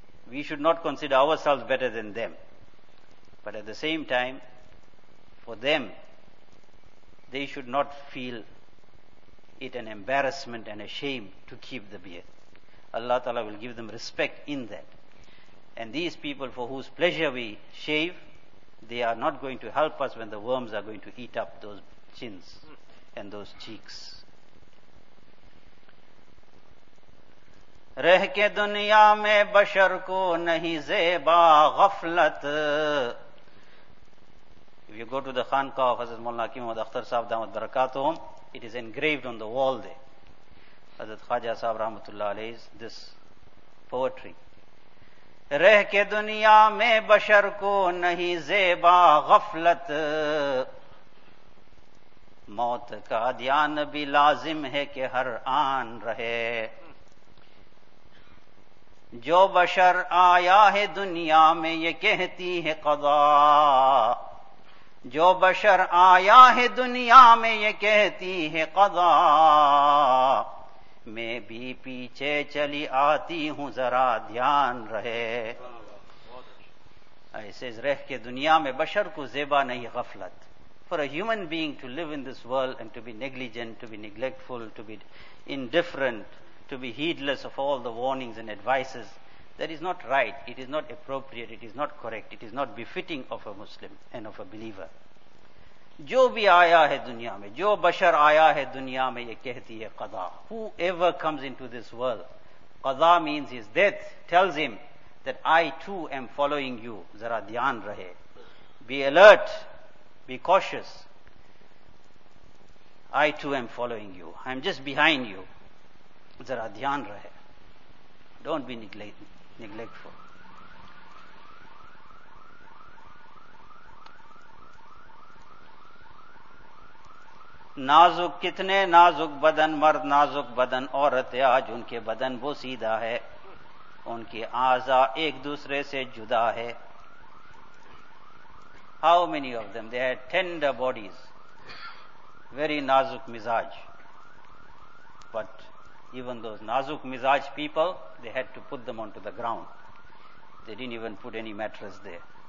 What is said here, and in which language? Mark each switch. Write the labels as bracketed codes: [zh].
[en] We should not consider ourselves better than them, but at the same time for them they should not feel it an embarrassment and a shame to keep the beard. Allah Ta'ala will give them respect in that, and these people for whose pleasure we shave, they are not going to help us when the worms are going to eat up those chins and those cheeks. [ur] رہ کے دنیا میں بشر کو نہیں زیبا غفلت. [en] If you go to the Khanqah of Hazrat Mullah Hakim Muhammad Akhtar Sahib Damat Barakatuhum, it is engraved on the wall there. Hazrat Khaja Sahib Rahmatullah Alayhi's this poetry. [ur] رہ کے دنیا میں بشر کو نہیں زیبا غفلت, موت کا دھیان بھی لازم ہے کہ ہر آن رہے. جو بشر آیا ہے دنیا میں یہ کہتی ہے قضا, جو بشر آیا ہے دنیا میں یہ کہتی ہے قضا, میں بھی پیچھے چلی آتی ہوں ذرا دھیان رہے. ایسے رہ کے دنیا میں بشر کو زیبا نہیں غفلت. [en] For a human being to live in this world and to be negligent, to be neglectful, to be indifferent, to be heedless of all the warnings and advices, that is not right, it is not appropriate, it is not correct, it is not befitting of a Muslim and of a believer. [ur] جو بھی آیا ہے دنیا میں, جو بشر آیا ہے دنیا میں, یہ کہتی ہے قضا. [en] Whoever comes into this world, قضا means his death, tells him that I too am following you. [ur] ذرا دھیان رہے, [en] be alert, be cautious, I too am following you, I am just behind you. [ur] ذرا دھیان رہے, [en] don't be neglectful. [ur] نازک, کتنے نازک بدن مرد, نازک بدن عورت, آج ان کے بدن وہ سیدھا ہے, ان کے اعضاء ایک دوسرے سے جدا ہے. [en] How many of them, they had tender bodies, very [ur] نازک مزاج, [en] but even those [ur] نازک مزاج [en] people, they had to put them onto the ground, they didn't even put any mattress there.